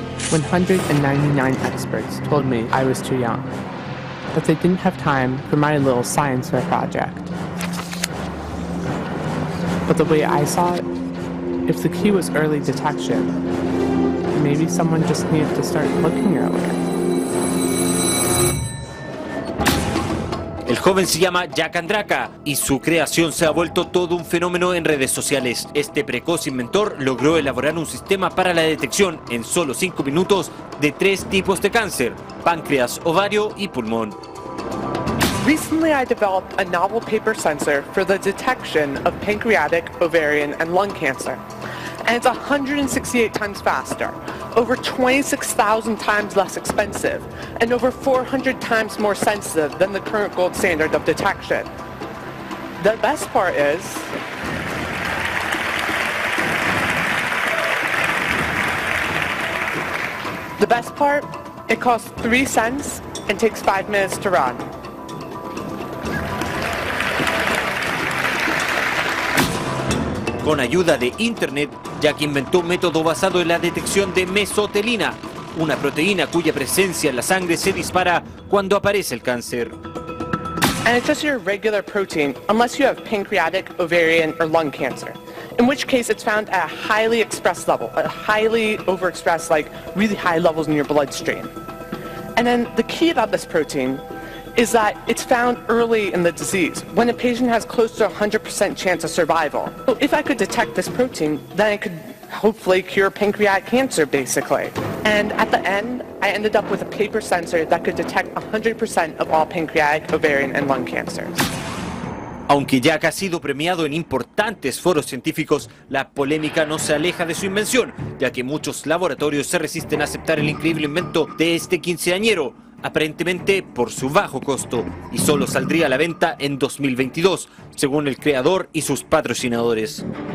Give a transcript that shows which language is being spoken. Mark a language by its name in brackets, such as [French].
[English] When 199 experts told me I was too young, that they didn't have time for my little science fair project. But the way I saw it, if the key was early detection, maybe someone just needed to start looking earlier. [Spanish] El joven se llama Jack Andraka y su creación se ha vuelto todo un fenómeno en redes sociales. Este precoz inventor logró elaborar un sistema para la detección en solo 5 minutos de 3 tipos de cáncer: páncreas, ovario y pulmón. [English] Recently I developed a novel paper sensor for the detection of pancreatic, ovarian and lung cancer. And it's 168 times faster, over 26,000 times less expensive, and over 400 times more sensitive than the current gold standard of detection. The best part is... The best part? It costs 3 cents and takes 5 minutes to run. [Spanish] Con ayuda de internet, Jack inventó un método basado en la detección de mesotelina, una proteína cuya presencia en la sangre se dispara cuando aparece el cáncer. [English] And it's just your regular protein, unless you have pancreatic, ovarian, or lung cancer. In which case it's found at a highly expressed level, a highly overexpressed, like really high levels in your bloodstream. And then the key about this protein is that it's found early in the disease, when a patient has close to 100% chance of survival. So if I could detect this protein, then I could hopefully cure pancreatic cancer, basically. And at the end, I ended up with a paper sensor that could detect 100% of all pancreatic, ovarian, and lung cancers. [Spanish] Aunque Jack ha sido premiado en importantes foros científicos, la polémica no se aleja de su invención, ya que muchos laboratorios se resisten a aceptar el increíble invento de este quinceañero, aparentemente por su bajo costo, y solo saldría a la venta en 2022, según el creador y sus patrocinadores.